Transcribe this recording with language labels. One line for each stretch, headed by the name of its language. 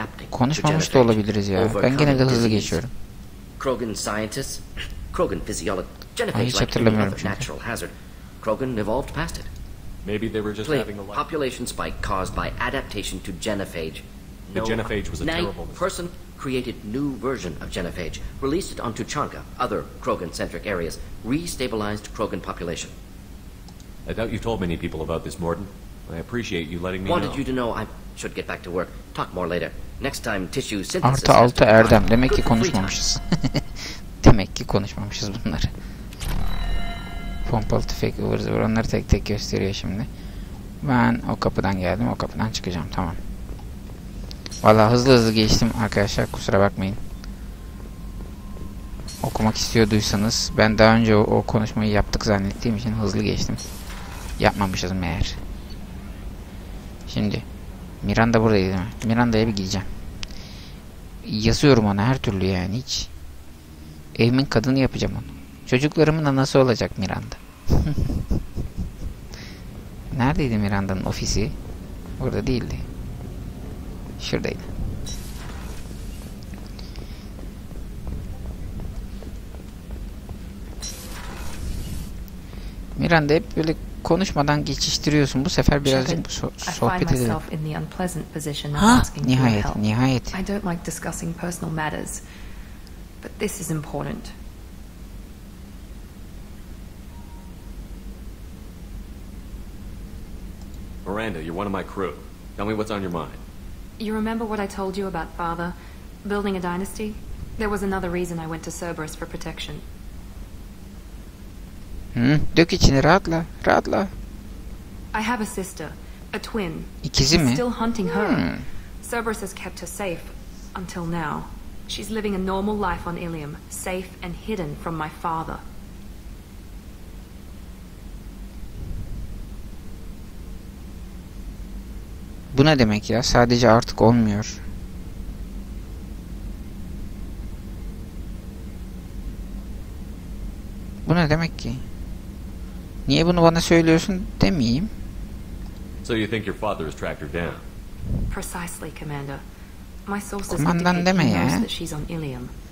Turkish: Konuşmamış da olabiliriz ya. Ben gene de hızlı geçiyorum.
English: Krogan scientist, Krogan physiologist,
Turkish: hiç hatırlamıyorum çünkü.
English: Natural hazard. Krogan evolved past it. Maybe they were just having a lot. Population spike caused by adaptation to Genophage. The Genophage was a terrible person. Created new version of Genophage, released it onto Chanka, other Krogan-centric areas, re-stabilized Krogan population. I doubt you've told many people about this, Morden. I appreciate you letting me wanted know. Wanted you to know I should get back to work. Talk more later. Next time, tissue synthesis.
Turkish: Artı 6 Erdem. Demek ki konuşmamışız. Demek ki konuşmamışız bunları. Pompalı tüfek ıvır zıvır. Onları tek tek gösteriyor şimdi. Ben o kapıdan geldim. O kapıdan çıkacağım. Tamam. Vallahi hızlı hızlı geçtim arkadaşlar, kusura bakmayın. Okumak istiyorduysanız, ben daha önce o konuşmayı yaptık zannettiğim için hızlı geçtim. Yapmamışız meğer. Şimdi Miranda buradaydı değil mi? Miranda'ya bir gideceğim. Yazıyorum ona her türlü yani hiç. Evimin kadını yapacağım onu. Çocuklarımın anası olacak Miranda. Neredeydi Miranda'nın ofisi? Burada değildi. Şuradaydı. Miranda hep böyle konuşmadan geçiştiriyorsun. Bu sefer birazcık sohbet edelim. Ha, nihayet, nihayet.
English: I don't like discussing personal matters, but this is important. Miranda, you're one of my crew. Tell me what's on your mind. You remember what I told you about Father, building a dynasty? There was another reason I went to Cerberus for protection.
Turkish: Dök içini, rahatla, rahatla.
English: I have a sister, a twin.
Turkish: İkizi mi?
English: Still hunting her. Cerberus has kept her safe until now. She's living a normal life on Ilium, safe and hidden from my father.
Turkish: Bu ne demek ya? Sadece artık olmuyor. Bu ne demek ki? Niye bunu bana söylüyorsun demeyeyim.
English: So you think your father has tracked her down? Precisely, Commander. My sources indicate that she's on Ilium.